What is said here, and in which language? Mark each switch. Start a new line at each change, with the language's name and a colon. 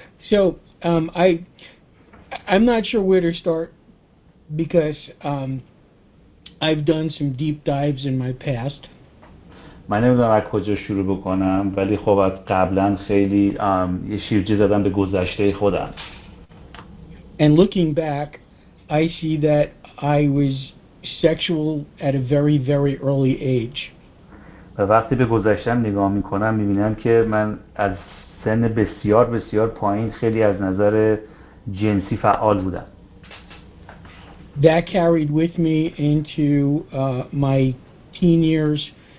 English: So I'm not sure where to start because I've done some deep dives in my past.
Persian: من نمیدونم از کجا شروع بکنم، ولی خب از قبلا خیلی یه شیرجه زدم به گذشته خودم.
English: And looking back, I see that I was sexual at a very, very early age.
Persian: وقتی به گذشتم نگاه میکنم میبینم که من از سن بسیار بسیار پایین خیلی از نظر جنسی فعال بودم.
English: That carried with me into my teen years.